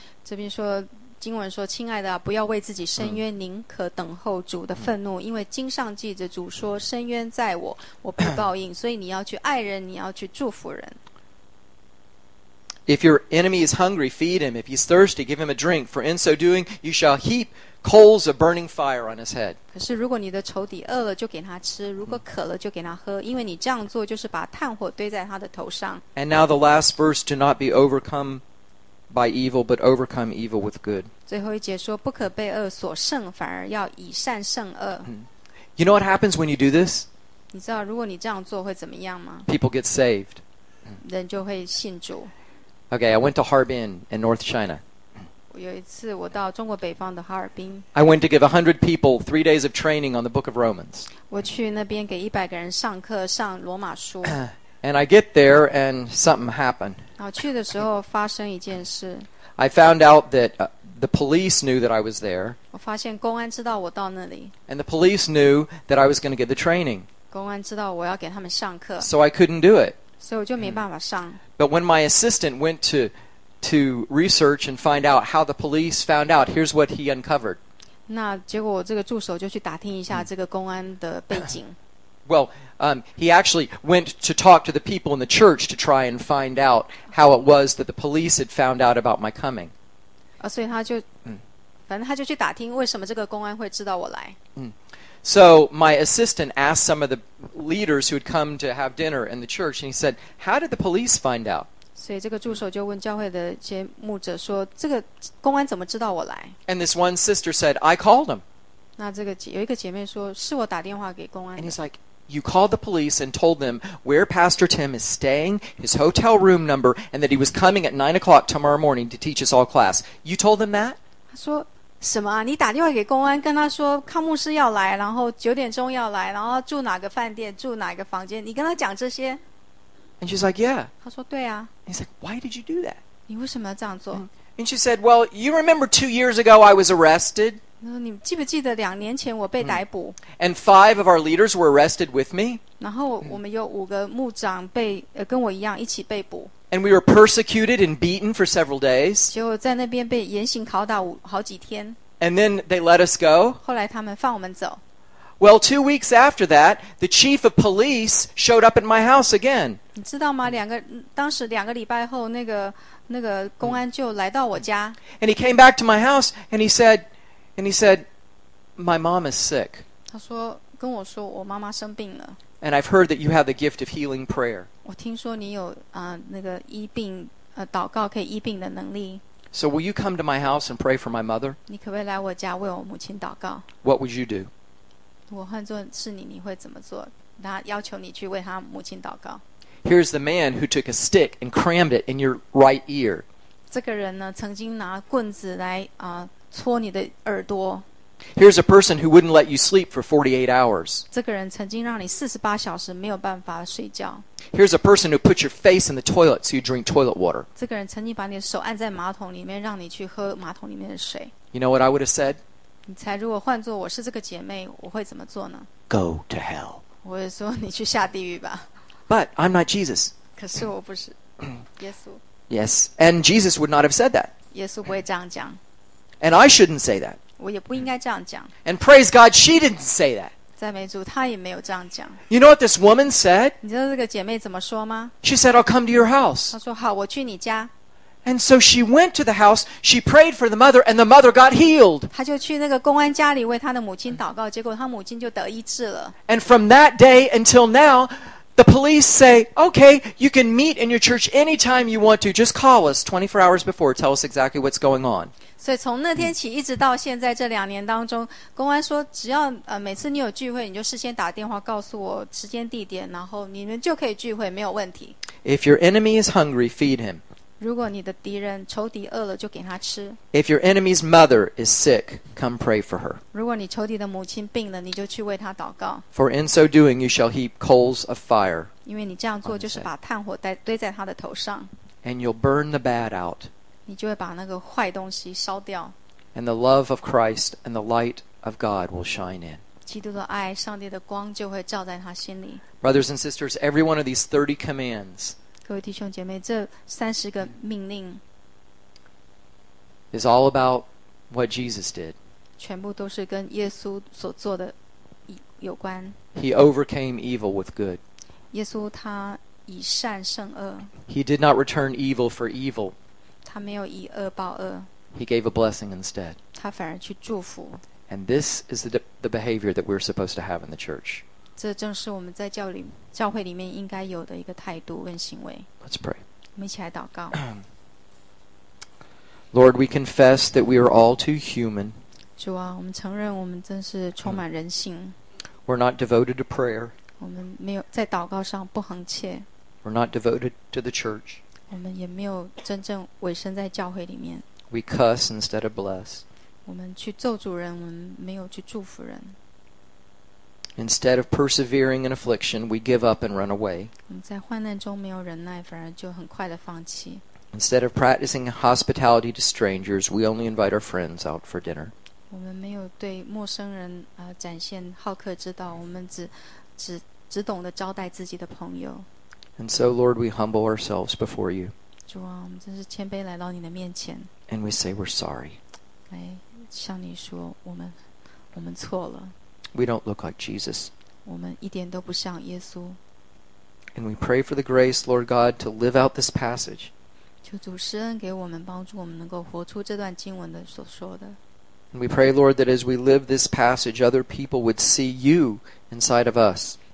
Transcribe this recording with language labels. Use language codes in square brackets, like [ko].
[zh] 这边说经文说亲爱的不要为自己伸冤宁可等候主的愤怒因为经上记着主说伸冤在我我必报应所以你要去爱人你要去祝福人 [en] If your enemy is hungry, feed him. If he's thirsty, give him a drink. For in so doing, you shall heap coals of burning fire on his head. [zh] 可是如果你的仇敌饿了就给他吃如果渴了就给他喝因为你这样做就是把炭火堆在他的头上 [en] And now the last verse, do not be overcome. By evil, but overcome evil with good. [zh] 最后一节说，不可被恶所胜，反而要以善胜恶。 [en] You know what happens when you do this? [zh] 你知道如果你这样做会怎么样吗？ [en] People get saved. [zh] 人就会信主。 [en] Okay, I went to Harbin in North China. [zh] 有一次我到中国北方的哈尔滨。 [en] I went to give 100 people 3 days of training on the Book of Romans. [zh] 我去那边给100个人上课，上罗马书。 [en] And I get there, and something happened. [zh] 然后去的时候发生一件事。 [en] I found out that the police knew that I was there. [zh] 我发现公安知道我到那里。 [en] And the police knew that I was going to get the training. [zh] 公安知道我要给他们上课。 [en] So I couldn't do it. [zh] 所以我就没办法上。 [en] But when my assistant went to research and find out how the police found out, here's what he uncovered. [zh] 那结果我这个助手就去打听一下这个公安的背景。 [en] Well, he actually went to talk to the people in the church to try and find out how it was that the police had found out about my coming. So he just went to ask why the police would know I'm coming. So my assistant asked some of the leaders who had come to have dinner in the church, and he said, how did the police find out? So this [zh] 助手就问教会的一些牧者说，这个公安怎么知道我来？ [en] And this one sister said, I called him. [zh] 那这个有一个姐妹说，是我打电话给公安的。 [en] And he's like,You called the police and told them where Pastor Tim is staying, his hotel room number, and that he was coming at 9 o'clock tomorrow morning to teach us all class. You told them that? [zh] 他说什么啊？你打电话给公安，跟他说康牧师要来，然后九点钟要来，然后住哪个饭店，住哪个房间？你跟他讲这些？ [en] And she's like, yeah. [zh] 他说对啊。 [en] He's like, why did you do that? [zh] 你为什么要这样做？ [en] And she said, well, you remember 2 years ago I was arrested. [zh] 你记不记得两年前我被逮捕 [en] And five of our leaders were arrested with me [zh] 然后我们有五个牧长被跟我一样一起被捕 [en] And we were persecuted and beaten for several days [zh] 结果在那边被严刑拷打好几天 [en] And then they let us go [zh] 后来他们放我们走 [en] Well 2 weeks after that the chief of police showed up at my house again [zh] 你知道吗两个当时两个礼拜后那个公安就来到我家 [en] And he came back to my house and he said, my mom is sick. [zh] 他说跟我说我妈妈生病了。 [en] And I've heard that you have the gift of healing prayer. [zh] 我听说你有那个医病祷告可以医病的能力。 [en] So will you come to my house and pray for my mother? [zh] 你可不可以来我家为我母亲祷告？ [en] What would you do? [zh] 我换作是你，你会怎么做？他要求你去为他母亲祷告。 [en] Here's the man who took a stick and crammed it in your right ear. [zh] 这个人呢，曾经拿棍子来戳你的耳朵。 [en] Here's a person who wouldn't let you sleep for 48 hours. [zh] 这个人曾经让你48小时没有办法睡觉。 [en] Here's a person who put your face in the toilet so you drink toilet water. [zh] 这个人曾经把你的手按在马桶里面让你去喝马桶里面的水。 [en] You know what I would have said? [zh] 你猜如果换作我是这个姐妹我会怎么做呢？ [en] Go to hell. [zh] 我会说你去下地狱吧。 [en] But I'm not Jesus. [zh] 可是我不是耶稣。 [en] Yes, and Jesus would not have said that. [zh] 耶稣不会这样讲。 [en] And I shouldn't say that. [zh] 我也不应该这样讲。 [en] And praise God, she didn't say that. [zh] 赞美主，她也没有这样讲。 [en] You know what this woman said? [zh] 你知道这个姐妹怎么说吗？ [en] She said, I'll come to your house. [zh] 她说好，我去你家。 [en] And so she went to the house, she prayed for the mother, and the mother got healed. [zh] 她就去那个公安家里为她的母亲祷告，结果她母亲就得医治了。 [en] And from that day until now, the police say, okay, you can meet in your church anytime you want to, just call us 24 hours before, tell us exactly what's going on. [zh] 所以从那天起一直到现在这两年当中，公安说只要每次你有聚会，你就事先打电话告诉我时间地点，然后你们就可以聚会，没有问题。 [en] If your enemy is hungry, feed him. [zh] 如果你的敌人仇敌饿了就给他吃。 [en] If your enemy's mother is sick, come pray for her. [zh] 如果你仇敌的母亲病了，你就去为她祷告。 [en] For in so doing, you shall heap coals of fire. [zh] 因为你这样做就是把炭火堆在她的头上。 [en] And you'll burn the bad out. [zh] 你就会把那个坏东西烧掉。 [en] And the love of Christ and the light of God will shine in. [zh] 基督的爱，上帝的光就会照在她心里。 [en] Brothers and sisters, every one of these 30 commands. [zh] 各位弟兄姐妹，这三十个命令 [en] is all about what Jesus did. [zh] 全部都是跟耶稣所做的有关。 [en] He overcame evil with good. [zh] 耶稣他以善胜恶。 [en] He did not return evil for evil. [zh] 他没有以恶报恶。 [en] He gave a blessing instead. [zh] 他反而去祝福。 [en] And this is the behavior that we're supposed to have in the church. [zh] 这正是我们在教会里面应该有的一个态度跟行为。 [en] Let's pray. [zh] 我们一起来祷告。 [en] Lord, we confess that we are all too human. [zh] 主啊，我们承认我们真是充满人性。 [en] We're not devoted to prayer. [zh] 我们没有在祷告上不恒切。 [en] We're not devoted to the church. [zh] 我们也没有真正委身在教会里面。 [en] We cuss instead of bless. [zh] 我们去咒诅人，我们没有去祝福人。 [en] Instead of persevering in affliction, we give up and run away. [zh] 在患难中没有忍耐，反而就很快地放弃。 [en] Instead of practicing hospitality to strangers, we only invite our friends out for dinner. [zh] 我们没有对陌生人展现好客之道，我们只懂得招待自己的朋友。 [en] And so, Lord, we humble ourselves before you. [zh] 主啊，我们真是谦卑来到你的面前。 [en] And we say we're sorry. [zh] 来向你说，我们错了。 [en] We don't look like Jesus. [zh] 我们一点都不像耶稣。 [en] And we pray for the grace, Lord God, to live out this passage. [zh] 求主施恩给我们，帮助我们能够活出这段经文的所说的。 [en] And we pray, Lord, that as we live this passage, other people would see you inside of us.